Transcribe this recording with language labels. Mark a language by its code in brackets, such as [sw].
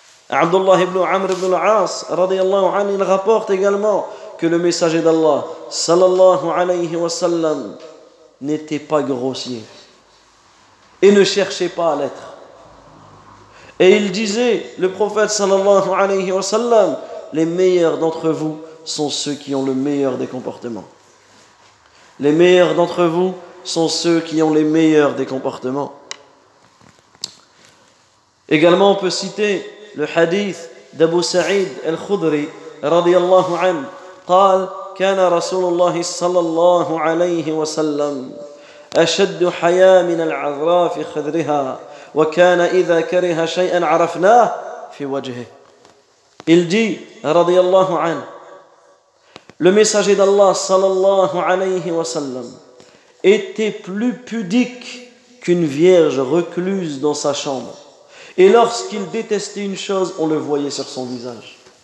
[fr] عبد الله بن عمرو بن العاص رضي الله عنه rapporte également que le messager d'Allah صلى الله عليه وسلم n'était pas grossier et ne cherchait pas à l'être. Et il disait, le prophète صلى الله عليه وسلم, les meilleurs d'entre vous sont ceux qui ont le meilleur des comportements. Les meilleurs d'entre vous sont ceux qui ont les meilleurs des comportements. Également, on peut citer le hadith d'Abu Sa'id al-Khudri, radiyallahu anhu, [ar] قال كان رسول الله صلى الله عليه وسلم أشد حياء من العذراء في خدرها وكان إذا كره شيئا عرفناه في وجهه. [fr] Il dit, radiyallahu anhu, le messager d'Allah sallallahu alayhi wa sallam était plus pudique qu'une vierge recluse dans sa chambre. Et lorsqu'il détestait une chose, on le voyait sur son visage.